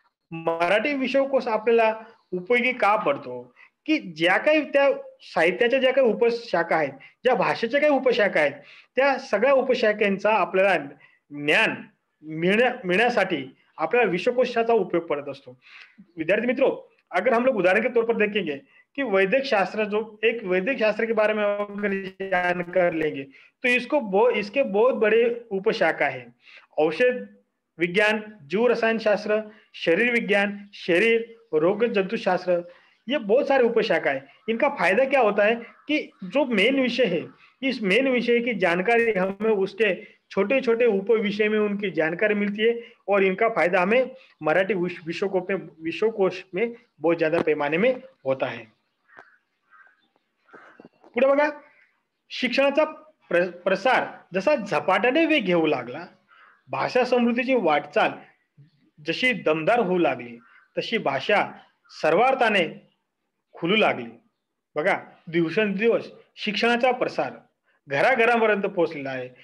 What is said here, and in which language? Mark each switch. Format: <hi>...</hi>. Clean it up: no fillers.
<mr>मराठी विश्वकोश आपल्याला उपयोगी का पडतो की ज्या काही त्या साहित्याच्या ज्या काही उपशाखा आहेत, ज्या भाषेच्या काही उपशाखा आहेत, त्या सगळ्या उपशाखेंचा आपल्याला ज्ञान मिळण्यासाठी आपल्याला विश्वकोशाचा उपयोग पडत असतो.</mr> <hi>विद्यार्थी मित्रो, अगर हम लोग उदाहरण के तौर पर देखेंगे कि वैद्यक शास्त्र, जो एक वैद्यक शास्त्र के बारे में अगर ज्ञान कर लेंगे तो इसके बहुत बड़े उपशाखा है. औषध विज्ञान, जीव रसायन शास्त्र, शरीर विज्ञान, शरीर रोग जंतुशास्त्र, ये बहुत सारे उपशाखा है. इनका फायदा क्या होता है कि जो मेन विषय है, इस मेन विषय की जानकारी हमें उसके छोटे छोटे उप विषय में उनकी जानकारी मिलती है और इनका फायदा हमें मराठी विश्वकोश में बहुत ज्यादा पैमाने में होता है.</hi> <mr>पुढे बघा, शिक्षणाचा प्रसार जसा झपाट्याने वेग घेऊ लागला, भाषा समृद्धीची वाटचाल जशी दमदार होऊ लागली, तशी भाषा सर्वार्थाने खुलू लागली. बघा, दिवसेंदिवस शिक्षणाचा प्रसार घराघरापर्यंत पोहोचलेला आहे.</mr>